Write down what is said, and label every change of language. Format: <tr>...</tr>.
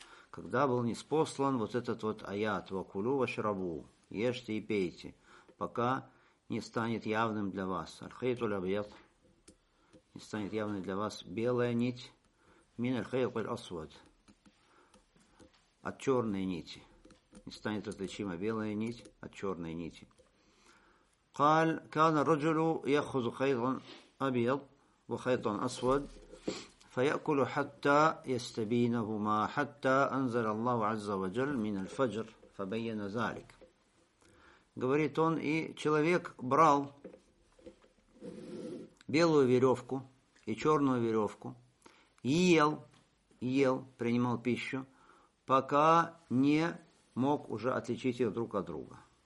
<ru>Когда был ниспослан вот этот вот аят</ru> <ar>وكلوا واشربوا</ar> <ru>ешьте и пейте, пока не станет явным для вас</ru> <ar>الخيط الأبيض</ar> <ru>не станет явным для вас белая нить</ru> <ar>من الخيط الأسود</ar> <ru>от черной нити не станет различима белая нить от черной нити.</ru> <ar>قال كان الرجل يأخذ خيطا أبيض وخيطا أسود فيأكل حتى يستبينهما حتى أنزل الله عز وجل من الفجر فبين ذلك.</ar> <ru>Говорит он, и человек брал белую веревку и черную веревку, ел, принимал пищу, пока не мог уже отличить ее друг от друга.</ru>